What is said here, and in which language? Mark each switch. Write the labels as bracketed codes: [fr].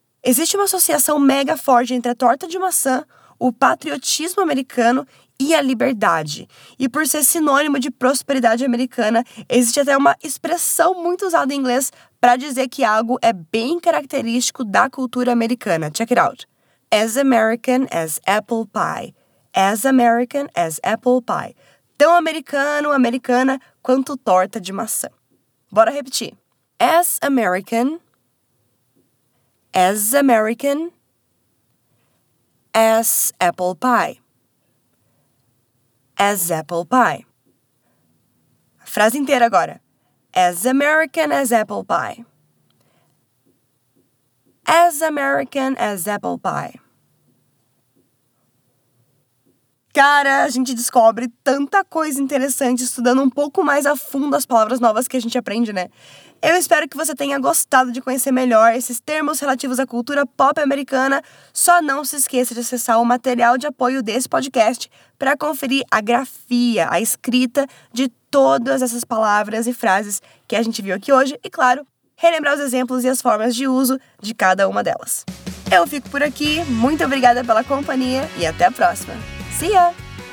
[pt] Existe uma associação mega forte entre a torta de maçã, o patriotismo americano e a liberdade. E por ser sinônimo de prosperidade americana, existe até uma expressão muito usada em inglês para dizer que algo é bem característico da cultura americana. [en] Check it out. As American as apple pie. As American as apple pie. [pt] Tão americano, americana, quanto torta de maçã. Bora repetir. [en] As American. As American. As apple pie. As apple pie. [pt] A frase inteira agora. [en] As American as apple pie. As American as apple pie. [pt] Cara, a gente descobre tanta coisa interessante estudando um pouco mais a fundo as palavras novas que a gente aprende, né? Eu espero que você tenha gostado de conhecer melhor esses termos relativos à cultura pop americana. Só não se esqueça de acessar o material de apoio desse podcast para conferir a grafia, a escrita de todas essas palavras e frases que a gente viu aqui hoje e, claro, relembrar os exemplos e as formas de uso de cada uma delas. Eu fico por aqui, muito obrigada pela companhia e até a próxima! [en] See ya!